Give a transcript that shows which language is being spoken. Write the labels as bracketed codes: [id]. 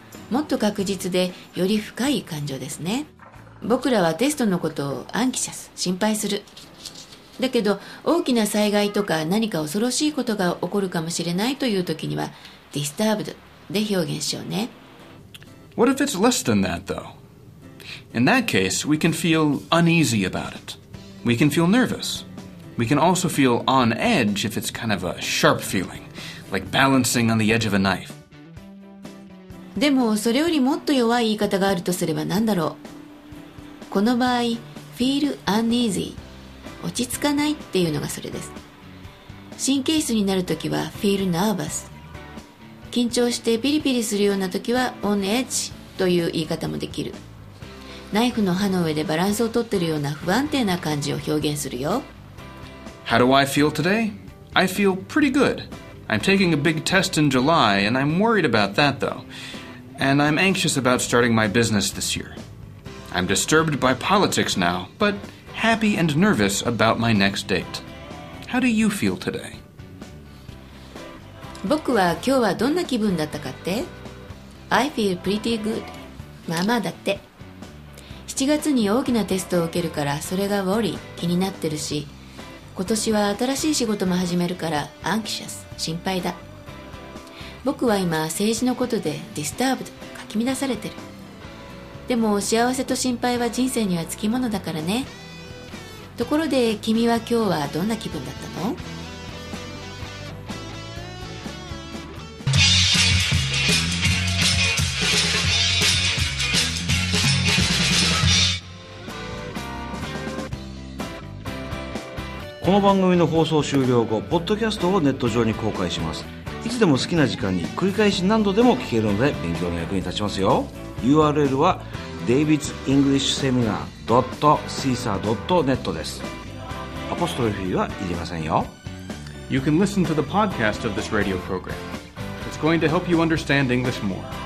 [ja] もっと確実でより深い感情ですね。僕らはテストのことを anxious、 心配する。だけど大きな災害とか何か恐ろしいことが起こるかもしれないという時には disturbedで表現しようね。 [en] What if it's less than that though? In that case, we can feel uneasy about it. We can feel nervous. We can also feel on edge if it's kind of a sharp feeling, like balancing on the edge of a knife. [ja] でもそれよりもっと弱い言い方があるとすれば何だろう。この場合 feel uneasy、 落ち着かないっていうのがそれです。神経質になるときは feel nervous、緊張してピリピリするような時は on edge という言い方もできる。ナイフの刃の上でバランスを取ってるような不安定な感じを表現するよ。 [en] How do I feel today? I feel pretty good. I'm taking a big test in July and I'm worried about that though. And I'm anxious about starting my business this year. I'm disturbed by politics now, but happy and nervous about my next date. How do you feel today? [ja] 僕は今日はどんな気分だったかって。 [en] I feel pretty good。 [ja] まあまあだって。 7月に大きなテストを受けるから、それがウォリー、気になってるし、今年は新しい仕事も始めるから anxious、 心配だ。僕は今政治のことで disturbed、 かき乱されてる。でも幸せと心配は人生にはつきものだからね。ところで君は今日はどんな気分だったの？この番組の放送終了後、ポッドキャストをネット上に公開します。いつでも好きな時間に繰り返し何度でも聞けるので勉強の役に立ちますよ。 URL は davidsenglishseminar.caesar.net です。アポストロフィーはいりませんよ。 [en] You can listen to the podcast of this radio program. It's going to help you understand English more.